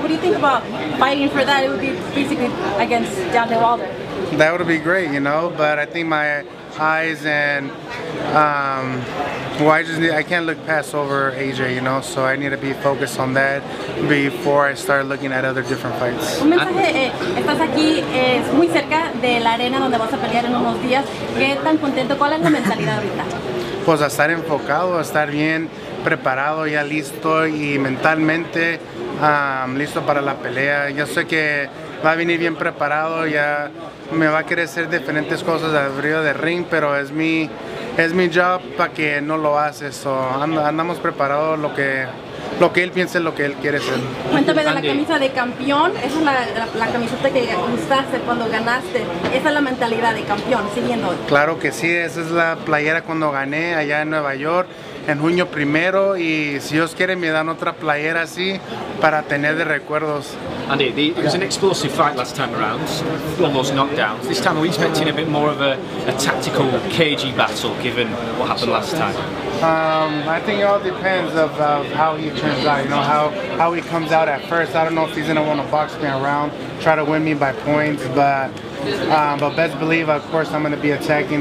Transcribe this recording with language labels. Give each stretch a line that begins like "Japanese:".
English: What do you think about fighting for that? It would be basically against Deontay Wilder. That would be great, you know, but I think my eyes and I can't look past over AJ, you know, so I need to be focused on that before I start looking at other different fights.
Spanish: Un mensaje, estás aquí, es muy cerca de la arena donde vas a pelear en unos días. ¿Qué tan contento? ¿Cuál es la mentalidad ahorita? Pues a estar enfocado, a estar bien preparado, ya listo y mentalmente listo para la pelea. Yo sé que va a venir bien preparado, ya me va a querer hacer diferentes cosas al río de ring, pero es mi job para que no lo hace. So, andamos preparados lo que él piense, lo que él quiere ser. Cuéntame de la camisa de campeón. Esa es la camiseta que usaste cuando ganaste. Esa es la mentalidad de campeón, siguiendo. Claro que sí, esa es la playera cuando gané allá en Nueva York en junio primero, y si Dios quiere me dan otra playera así para tener de recuerdos.
English: Andy, it was an explosive fight last time around, almost knockdowns. This time, are we expecting a bit more of a tactical, cagey battle given what happened last time? I think it all depends of how he turns out, you know, how he comes out at first. I don't know if he's going to want to box me around, try to win me by points, but best believe, of course, I'm going to be attacking.